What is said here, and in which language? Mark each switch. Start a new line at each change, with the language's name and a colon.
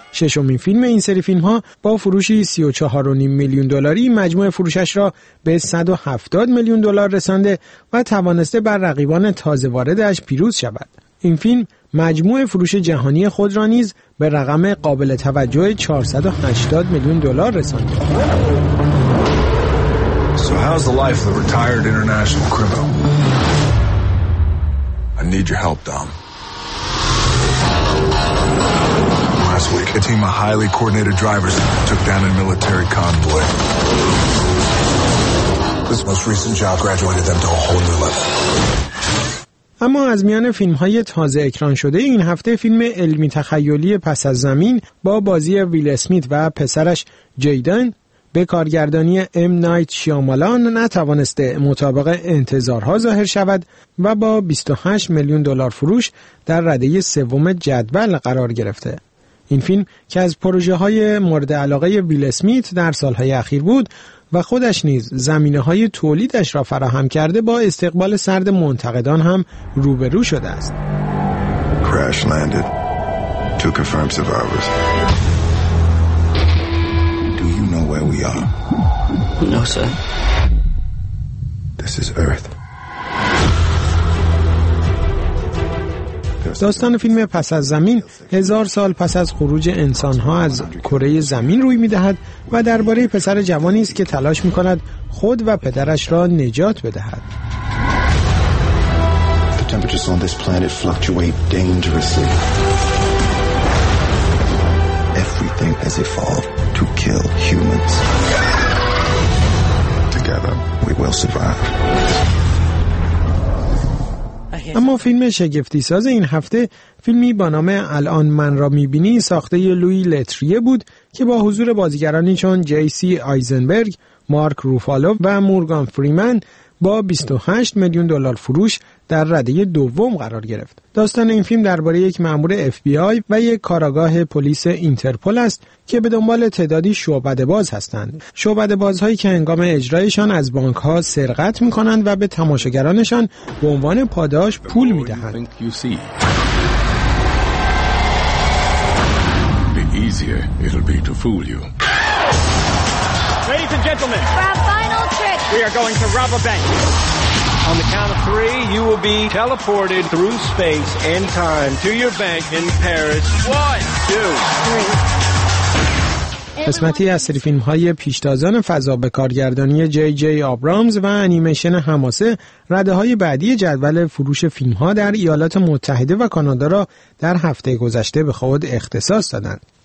Persian: ششمین فیلم این سری فیلم‌ها با فروشی 34.5 میلیون دلاری مجموع فروشش را به 170 میلیون دلار رسانده و توانسته بر رقیبان تازه واردش پیروز شود. این فیلم مجموع فروش جهانی خود را نیز به رقم قابل توجه 480 میلیون دلار رسانده.
English: So how's the life of a retired international criminal? I need your help, Dom. My last week. A team of highly coordinated drivers took down a military convoy. This most recent job graduated them to a whole new level.
Persian: اما از میان فیلم‌های تازه اکران شده این هفته فیلم علمی تخیلی پس از زمین با بازی ویل اسمیت و پسرش جیدن به کارگردانی ام نایت شیامالان نتوانسته مطابق انتظارها ظاهر شود و با 28 میلیون دلار فروش در رده سوم جدول قرار گرفته. این فیلم که از پروژه‌های مورد علاقه ویل اسمیت در سال‌های اخیر بود و خودش نیز زمینه‌های تولیدش را فراهم کرده با استقبال سرد منتقدان هم روبرو شده است.
English: Crash landed. Two confirmed survivors. Do you know where we are? No, sir. This is Earth.
Persian: داستان فیلم پس از زمین 1000 سال پس از خروج انسان‌ها از کره زمین روی می‌دهد و درباره پسر جوانی است که تلاش می‌کند خود و پدرش را نجات بدهد.
English: The temperatures on this planet fluctuate dangerously. Everything has evolved to kill humans. Together, we will survive.
Persian: اما فیلم شگفتی ساز این هفته فیلمی با نام الان من را میبینی ساخته ی لوی لتریه بود که با حضور بازیگرانی چون جی سی آیزنبرگ، مارک روفالو و مورگان فریمن با 28 میلیون دلار فروش در رده دوم قرار گرفت. داستان این فیلم درباره یک مأمور FBI و یک کاراگاه پلیس اینترپل است که به دنبال تعدادی شعبده‌باز هستند. شعبده‌بازهایی که هنگام اجرایشان از بانک ها سرقت می کنند و به تماشاگرانشان به عنوان پاداش پول می دهند.
English: We are going to rob a bank. On the count of three, you will be teleported through space and time to your bank in Paris. 1, 2, 3.
Persian: قسمتی از سری فیلم‌های پیشتازان فضا به کارگردانی جی جی آبرامز و انیمیشن حماسه رده‌های بعدی جدول فروش فیلم‌ها در ایالات متحده و کانادا را در هفته گذشته به خود اختصاص دادند.